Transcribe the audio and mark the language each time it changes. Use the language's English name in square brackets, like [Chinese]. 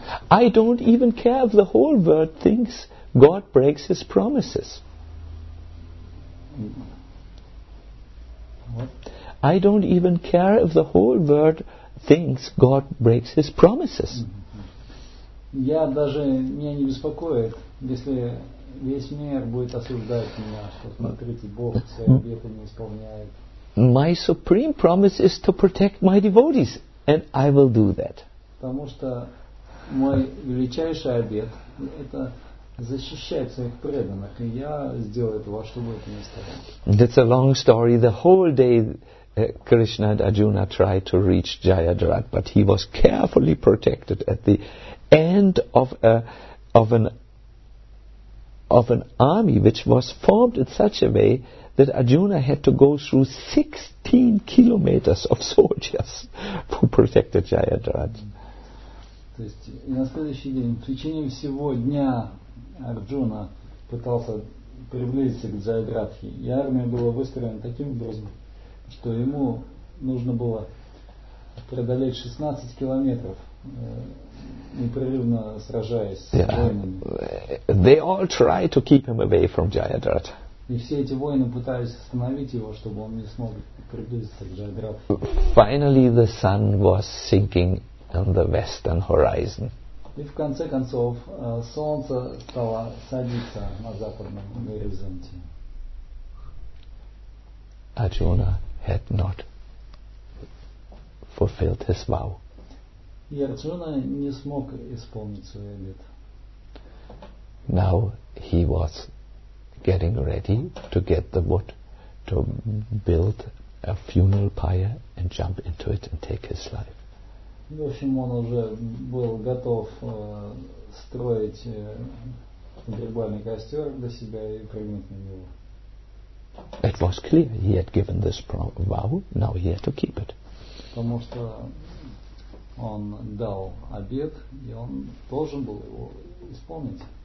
[English] I don't even care if the whole world thinks God breaks his promises. What? I don't even care if the whole world thinks God breaks his promises. [Russian] Я даже меня не беспокоит, если весь мир будет осуждать меня, что смотрите, Бог все обеты не исполняет. [English] My supreme promise is to protect my devotees, and I will do that. [Russian] Потому что мой величайший обет это защищать своих преданных, и я сделаю это во что бы это ни стало. [English] That's a long story. The whole day Krishna and Arjuna tried to reach Jayadrat, but he was carefully protected at the end of an army which was formed in such a way that Arjuna had to go through 16 kilometers of soldiers who protected Jayadrat. [Russian] То есть на следующий день, в течение всего дня, Арджуна пытался приблизиться к Джайадратхе, и армия была выстроена таким образом, что ему нужно было преодолеть 16 километров, непрерывно сражаясь с войнами. [English] Yeah. They all tried to keep him away from Jayadrat. [Russian] И все эти воины пытались остановить его, чтобы он не смог приблизиться к Джайадратхе. [English] Finally, the sun was sinking on the western horizon. [Russian] И в конце концов солнце стало садиться на западном горизонте. [English] Arjuna had not fulfilled his vow. [Russian] И Арджуна не смог исполнить свой обет. [English] Now he was getting ready to get the wood to build a funeral pyre and jump into it and take his life. [Russian] В общем, он уже был готов строить погребальный костер для себя и прыгнуть на него. [English] It was clear he had given this vow, now he had to keep it. [Russian] Потому что он дал обет, и он должен был его исполнить.